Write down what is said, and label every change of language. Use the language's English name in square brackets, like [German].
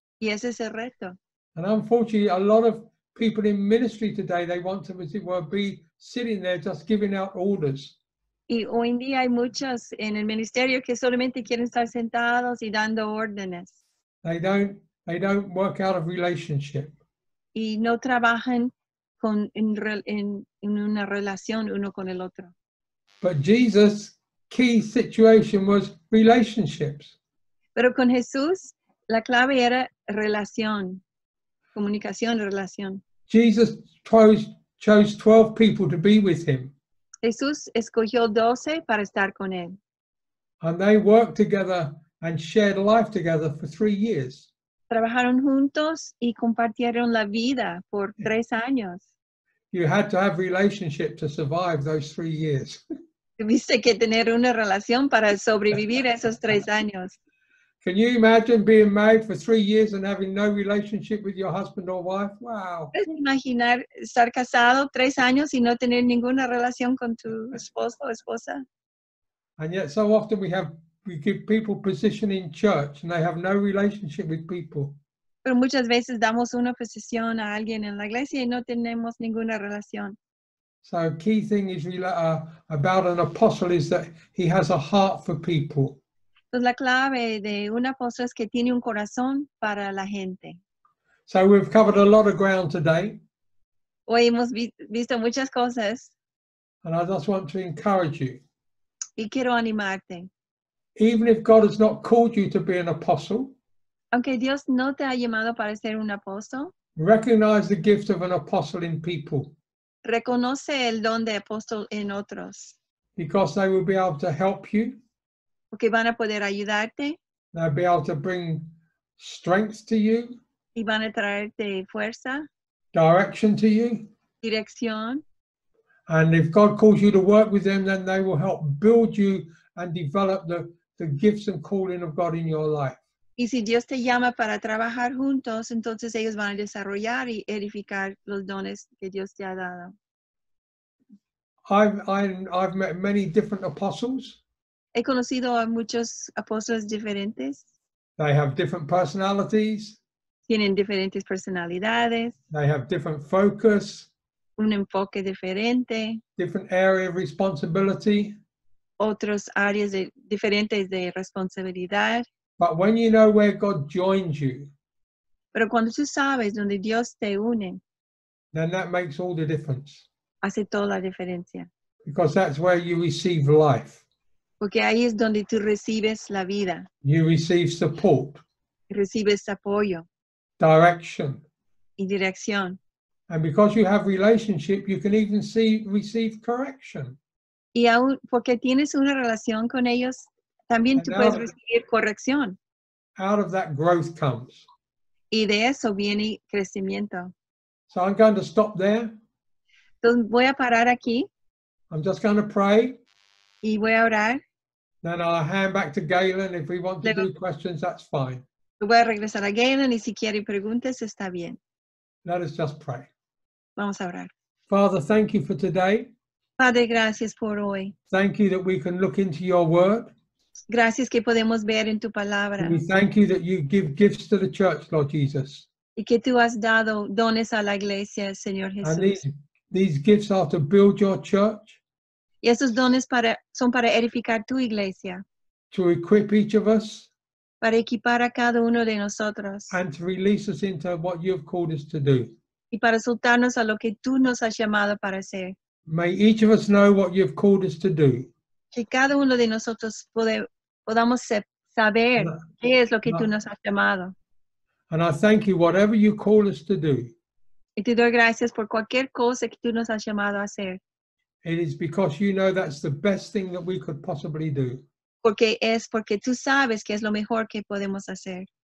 [Spanish] Y ese es el reto. [English] And unfortunately, a lot of people in ministry today, they want to, as it were, be sitting there just giving out orders. [Spanish] Y hoy en día hay muchos en el ministerio que solamente quieren estar sentados y dando órdenes. [English] They don't work out of relationship. [Spanish] Y no trabajan en una relación uno con el otro. [English] But Jesus' key situation was relationships. [Spanish] Pero con Jesús, la clave era relación, comunicación, relación. [English] Jesus chose 12 people to be with him. [Spanish] Jesús escogió 12 para estar con él. [English] And they worked together and shared life together for 3 years. [Spanish] Trabajaron juntos y compartieron la vida por 3 años. [English] You had to have relationship to survive those 3 years. [Spanish] Tuviste que tener una relación para sobrevivir esos 3 años. [English] Can you imagine being married for 3 years and having no relationship with your husband or wife? Wow. [Spanish] ¿Puedes imaginar estar casado 3 años y no tener ninguna relación con tu esposo o esposa? [English] And yet so often we give people position in church and they have no relationship with people. [Spanish] Pero muchas veces damos una posición a alguien en la iglesia y no tenemos ninguna relación. [English] So a key thing is about an apostle is that he has a heart for people. [Spanish] Pues la clave de un apóstol es que tiene un corazón para la gente. [English] So we've covered a lot of ground today. [Spanish] Hoy hemos visto muchas cosas. [English] And I just want to encourage you. [Spanish] Y quiero animarte. [English] Even if God has not called you to be an apostle. [Spanish] Aunque Dios no te ha llamado para ser un apóstol. [English] Recognize the gift of an apostle in people. [Spanish] Reconoce el don de apóstol en otros. [English] Because they will be able to help you. [Spanish] Porque van a poder ayudarte. [English] They'll be able to bring strength to you. [Spanish] Y van a traerte fuerza. [English] Direction to you. [Spanish] Dirección. [English] And if God calls you to work with them, then they will help build you and develop the gifts and calling of God in your life. [Spanish] Y si Dios te llama para trabajar juntos, entonces ellos van a desarrollar y edificar los dones que Dios te ha dado. [English] I've met many different apostles. [Spanish] He conocido a muchos apóstoles diferentes. [English] They have different personalities. [Spanish] Tienen diferentes personalidades. [English] They have different focus. [Spanish] Un enfoque diferente. [English] Different area of responsibility. [Spanish] Otras áreas diferentes de responsabilidad. [English] But when you know where God joins you. [Spanish] Pero cuando tú sabes donde Dios te une. [English] Then that makes all the difference. [Spanish] Hace toda la diferencia. [English] Because that's where you receive life. [Spanish] Porque ahí es donde tú recibes la vida. [English] You receive support. [Spanish] Recibes apoyo. [English] Direction. [Spanish] Y dirección. [English] And because you have relationship, you can even receive correction. [Spanish] Y aún porque tienes una relación con ellos, también tú puedes recibir corrección. [English] Out of that growth comes. [Spanish] Y de eso viene crecimiento. [English] So I'm going to stop there. [Spanish] Entonces voy a parar aquí. [English] I'm just going to pray. [Spanish] Y voy a orar. [English] Then I'll hand back to Galen. If we want to do questions, that's fine. [Spanish] Voy a regresar a Galen y si quiere preguntas, está bien. [English] Let us just pray. [Spanish] Vamos a orar. [English] Father, thank you for today. [Spanish] Padre, gracias por hoy. [English] Thank you that we can look into your word. [Spanish] Gracias que podemos ver en tu palabra. [English] And we thank you that you give gifts to the church, Lord Jesus. [Spanish] Y que tú has dado dones a la iglesia, Señor Jesús. [English] And these gifts are to build your church. [Spanish] Y esos dones son para edificar tu iglesia. [English] To equip each of us. [Spanish] Para equipar a cada uno de nosotros. [English] And to release us into what you've called us to do. [Spanish] Y para soltarnos a lo que tú nos has llamado para hacer. [English] May each of us know what you've called us to do. [Spanish] Que cada uno de nosotros podamos saber qué es lo que tú nos has llamado. [English] And I thank you, whatever you call us to do. [Spanish] Y te doy gracias por cualquier cosa que tú nos has llamado a hacer. [English] It is because you know that's the best thing that we could possibly do. [Spanish] Porque es porque tú sabes que es lo mejor que podemos hacer.